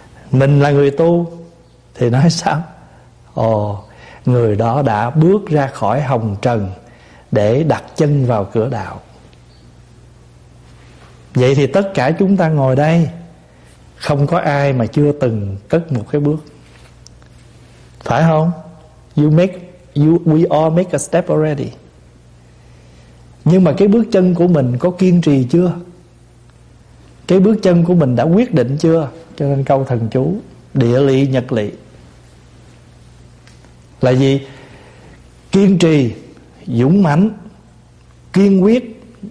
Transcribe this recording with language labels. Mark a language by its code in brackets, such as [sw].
[vi] Mình là người tu thì nói sao? Ồ, người đó đã bước ra khỏi hồng trần để đặt chân vào cửa đạo. Vậy thì tất cả chúng ta ngồi đây không có ai mà chưa từng cất một cái bước, phải không? [en] We all make a step already. [vi] Nhưng mà cái bước chân của mình có kiên trì chưa? Cái bước chân của mình đã quyết định chưa? Cho nên câu thần chú địa lỵ nhật lỵ là gì? Kiên trì, dũng mãnh, kiên quyết.